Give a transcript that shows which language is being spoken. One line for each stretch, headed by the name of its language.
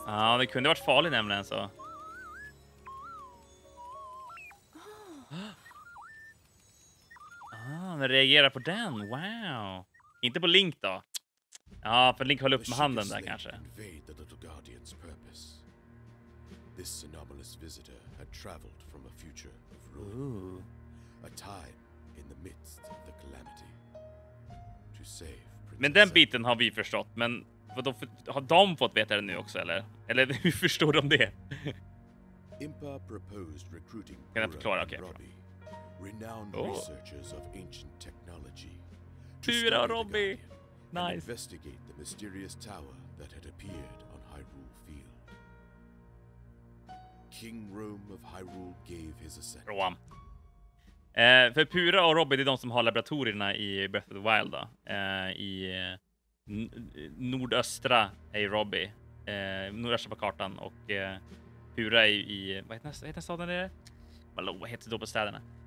Swedish: Ja, ah, det kunde varit farligt nämligen så. Ah, den reagerar på den. Wow. Inte på Link då. Ja, ah, för Link höll upp med handen där kanske.
English: The little guardian's purpose. This anomalous visitor had traveled from a future of ruin. A time in the midst of the calamity. To save.
Swedish: Men den biten har vi förstått, men har de fått veta det nu också eller? Eller hur förstår de det?
English: Impa proposed recruiting.
Swedish: Kan jag förklara? Okej.
English: Okay, renowned researchers of ancient technology. Tura Robby. Nice. Investigate the mysterious tower that had appeared on Hyrule Field. King Rome of Hyrule gave his assent. Rohan.
Swedish: För Pura och Robby, det är de som har laboratorierna i Breath of the Wild då. I nordöstra är Robby. Nordöstra på kartan och Pura är i, vad heter den staden det? Vallå, vad heter det då på städerna?